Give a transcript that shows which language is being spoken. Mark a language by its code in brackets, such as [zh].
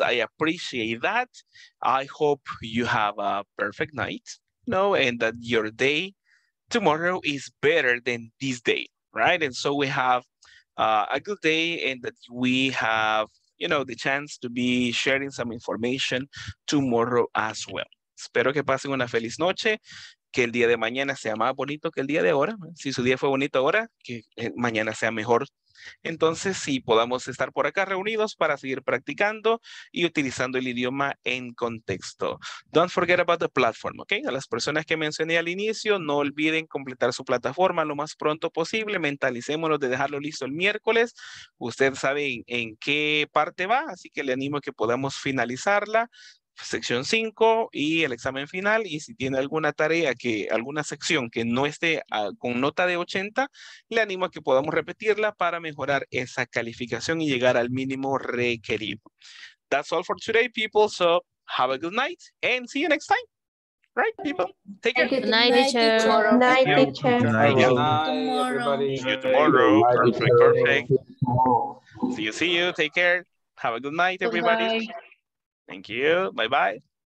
[en] I appreciate that. I hope you have a perfect night, you know, and that your day tomorrow is better than this day, right? And so we have a good day and that we have, you know, the chance to be sharing some information tomorrow as well. [es] Espero que pasen una feliz noche, que el día de mañana sea más bonito que el día de ahora. Si su día fue bonito ahora, que mañana sea mejor. Entonces, si podamos estar por acá reunidos para seguir practicando y utilizando el idioma en contexto. [en] Don't forget about the platform, [es] ¿ok? A las personas que mencioné al inicio, no olviden completar su plataforma lo más pronto posible. Mentalicémonos de dejarlo listo el miércoles. Usted sabe en qué parte va, así que le animo a que podamos finalizarla. Sección 5 y el examen final, y si tiene alguna tarea, que alguna sección que no esté con nota de 80, le animo a que podamos repetirla para mejorar esa calificación y llegar al mínimo requerido. [en] That's all for today, people, so have a good night and see you next time. Right, people? Take care. Good night, teacher. Good night, teacher. Tomorrow. See you tomorrow. Perfect. See you. Take care. Have a good night, everybody. Thank you. Bye-bye.